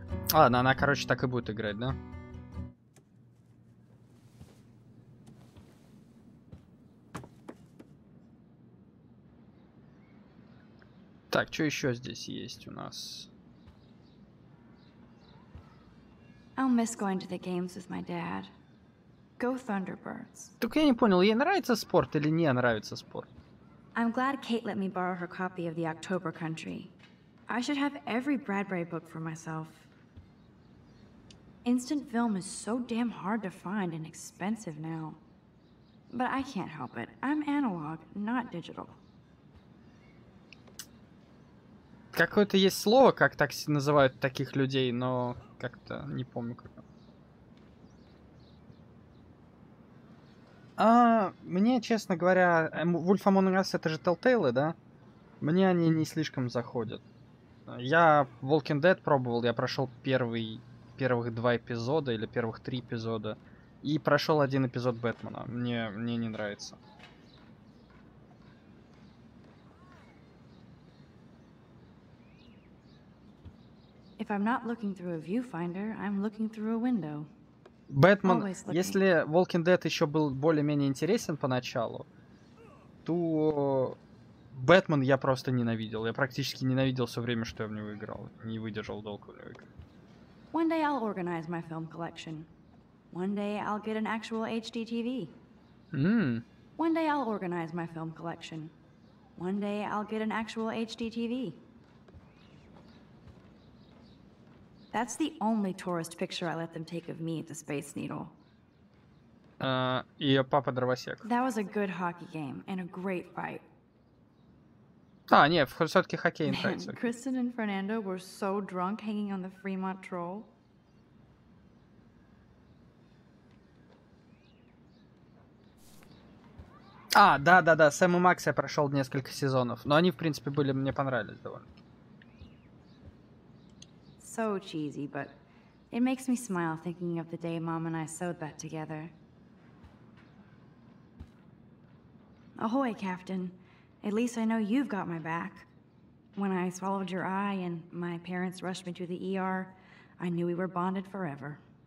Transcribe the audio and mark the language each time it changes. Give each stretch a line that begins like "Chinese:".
Russian: Ладно, она, короче, так и будет играть, да? Так, что еще здесь есть у нас?
English: I'll miss going to the games with my dad. Go Thunderbirds.
Russian: Только я не понял, ей нравится спорт или не нравится спорт?
English: I'm glad Kate let me borrow her copy of the October Country. I should have every Bradbury book for myself. Instant film is so damn hard to find and expensive now. But I can't help it. I'm analog, not digital.
Russian: Какое-то есть слово, как так называют таких людей, но как-то не помню. А мне, честно говоря, Wolf Among Us — это же Telltale, да? Мне они не слишком заходят. Я Walking Dead пробовал, я прошел первых два эпизода или первых три эпизода. И прошел один эпизод Бэтмена. Мне не нравится.
English: If I'm not looking through a viewfinder, I'm looking through a window.
Russian: Бэтмен, если Walking Dead еще был более-менее интересен поначалу, то Бэтмен я просто ненавидел. Я практически ненавидел все время, что я в него играл. Не выдержал долго в него играть.
English: One day I'll organize my film collection. One day I'll get an actual HDTV. One day I'll organize my film collection. One day I'll get an actual HDTV. That's the only tourist picture I let them take of me at the Space Needle.
Russian: Её папа дровосек.
English: That was a good hockey game and a great fight.
Russian: А, нет, всё-таки хоккей нравится.
English: Man, Kristen and Fernando were so drunk hanging on the Fremont Troll.
Russian: А, да-да-да, Сэм и Макс я прошёл несколько сезонов. Но они, в принципе, были, мне понравились довольно.
English: So cheesy, but it makes me smile thinking of the day Mom and I sewed that together. Ahoy, Captain. At least I know you've got my back. When I swallowed your eye and my parents rushed me to the ER, I knew we were bonded forever.